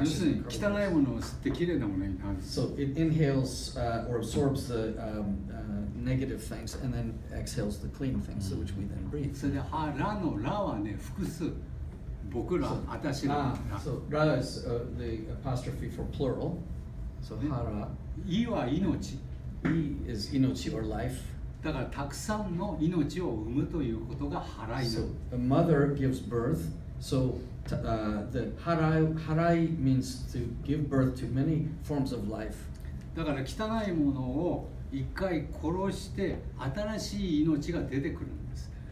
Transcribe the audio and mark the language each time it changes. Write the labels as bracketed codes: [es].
[ja] 要するに汚いものを吸って綺麗なものになる。 [en] So it inhales or absorbs the negative things and then exhales the clean things, which we then breathe. So the [ja] ha ra no ra はね複数、僕ら、私ら。 [en] So ra is the apostrophe for plural. So ha ra. [ja] I は命。 [en] I is 命 or life. [ja] だからたくさんの命を産むということが払い。 [en] So a mother gives birth. So the harai means to give birth to many forms of life. [ja] だから汚いものを一回殺して新しい命が出てくるんです。